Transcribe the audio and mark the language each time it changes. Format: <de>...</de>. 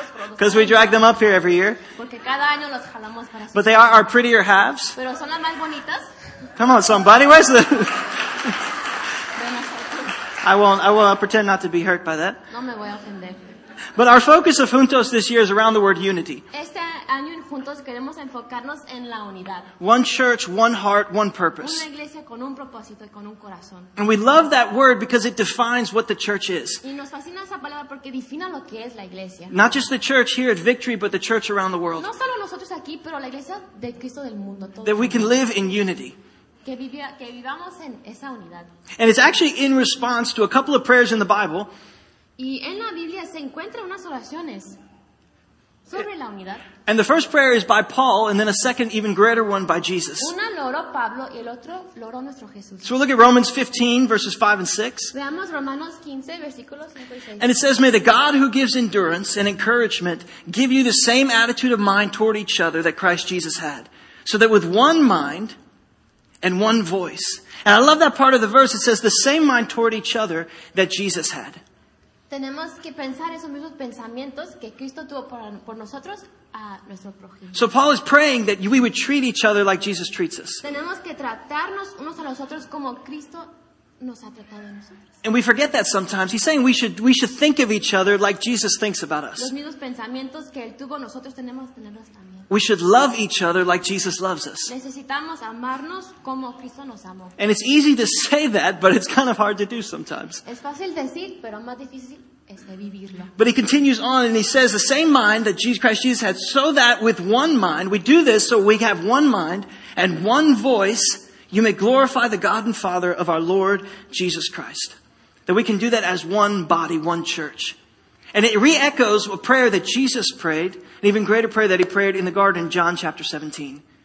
<en>Because we drag them up here every year.</en> <es>Cada año los jalamos para</es> <en>but they are our prettier halves.</en> <es>Pero son las más bonitas.</es> <en>Come on, somebody, where's the... I won't pretend not to be hurt by that.</en> <es>No me voy a ofender.</es> <en>But our focus of Juntos this year is around the word unity.</en> <es>Este año en Juntos queremos enfocarnos en la unidad.</es> <en>One church, one heart, one purpose.</en> <es>Una iglesia con un propósito y con un corazón.</es> <en>And we love that word because it defines what the church is.</en> <es>Y nos fascina esa palabra porque define lo que es la iglesia.</es> <en>Not just the church here at Victory, but the church around the world.</en> <es>No solo nosotros aquí, pero la iglesia de Cristo del mundo. Todo</es> <en>that we can live in unity.</en> <es>Que vivamos en esa unidad.</es> <en>And it's actually in response to a couple of prayers in the Bible.</en> <es>Y en la Biblia se encuentran unas oraciones sobre la unidad.</es> <en>And the first prayer is by Paul, and then a second, even greater one, by Jesus.</en> <es>Una lo oró Pablo y el otro lo oró nuestro Jesús.</es> <en>So we'll look at Romans 15, verses 5 and 6.</en> <es>Veamos Romanos 15, versículos 5 y 6.</es> <en>And it says, may the God who gives endurance and encouragement give you the same attitude of mind toward each other that Christ Jesus had, so that with one mind and one voice. And I love that part of the verse. It says, the same mind toward each other that Jesus had.</en> <es>Tenemos que pensar esos mismos pensamientos que Cristo tuvo por nosotros a nuestro prójimo.</es> <en>So Paul is praying that we would treat each other like Jesus treats us.</en> <es>Tenemos que tratarnos unos a los otros como Cristo nos ha tratado a nosotros.</es> <en>And we forget that sometimes. He's saying we should think of each other like Jesus thinks about us.</en> <es>Los mismos pensamientos que él tuvo nosotros tenemos tenerlos también.</es> <en>We should love each other like Jesus loves us.</en> <es>Necesitamos amarnos como Cristo nos amó.</es> <en>And it's easy to say that, but it's kind of hard to do sometimes.</en> <es>Es fácil decir, pero más difícil es de vivirlo.</es> <en>But he continues on and he says the same mind that Jesus Christ Jesus had, so that with one mind we do this, so we have one mind and one voice. You may glorify the God and Father of our Lord Jesus Christ. That we can do that as one body, one church. And it re-echoes a prayer that Jesus prayed, an even greater prayer that he prayed in the garden, John chapter 17.</en>